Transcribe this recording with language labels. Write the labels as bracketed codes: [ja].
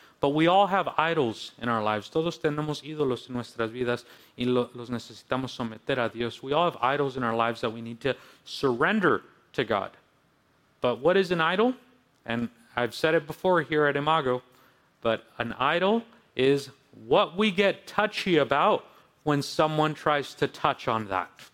[en] But we all have idols in our lives. [es] Todos tenemos ídolos en nuestras vidas y los necesitamos someter a Dios. [en] We all have idols in our lives that we need to surrender to God. But what is an idol? And I've said it before here at Imago, but an idol is what we get touchy about when someone tries to touch on that.